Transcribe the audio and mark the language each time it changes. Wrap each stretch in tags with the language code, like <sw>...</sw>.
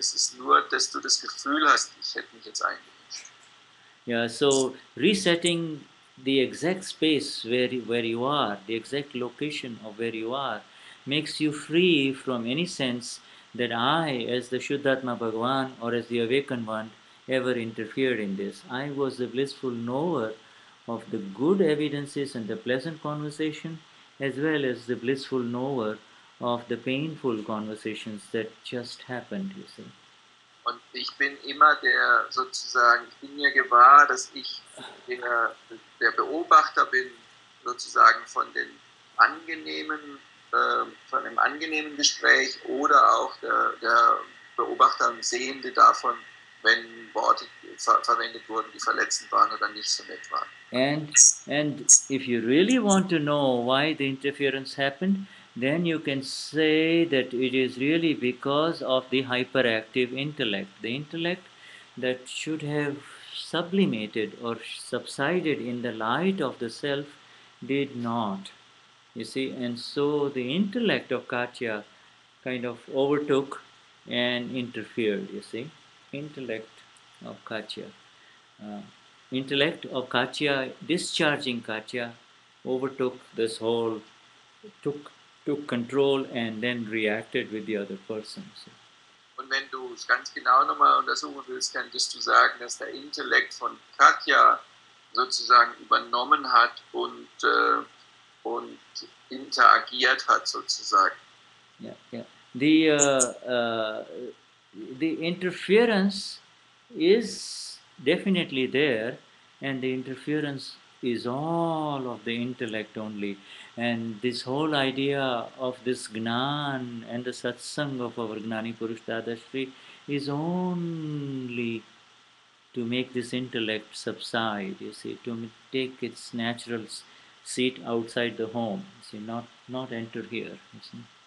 <de>Das ist nur, dass du das Gefühl hast, ich hätte mich jetzt eingemischt.</de> <en>Yeah, so resetting the exact space where you are, the exact location of where you are, makes you free from any sense that I, as the Shuddhatma Bhagavan or as the awakened one, ever interfered in this. I was the blissful knower of the good evidences and the pleasant conversation, as well as the blissful knower of the painful conversations that just happened, you see.</en> <de>Und ich bin immer der, sozusagen, ich bin mir gewahr, dass ich der Beobachter bin, sozusagen von den angenehmen, von dem angenehmen Gespräch oder auch der Beobachter und Sehende davon, wenn Worte verwendet wurden, die verletzend waren oder nicht so nett waren.</de> <en>And if you really want to know why the interference happened, then you can say that it is really because of the hyperactive intellect. The intellect that should have sublimated or subsided in the light of the self did not. You see, and so the intellect of Katya kind of overtook and interfered, you see. Intellect of Katya. Intellect of Katya, discharging Katya, overtook this whole, took control and then reacted with the other person. So.</en> <de>Und wenn du es ganz genau nochmal untersuchen willst, könntest du sagen, dass der Intellekt von Katya sozusagen übernommen hat und interagiert hat sozusagen.</de> <en>The interference is definitely there, and the interference is all of the intellect only. And this whole idea of this Gnan and the Satsang of our Gnani Purush Dadashri is only to make this intellect subside, you see, to take its natural seat outside the home, you see, not enter here, you see.</en>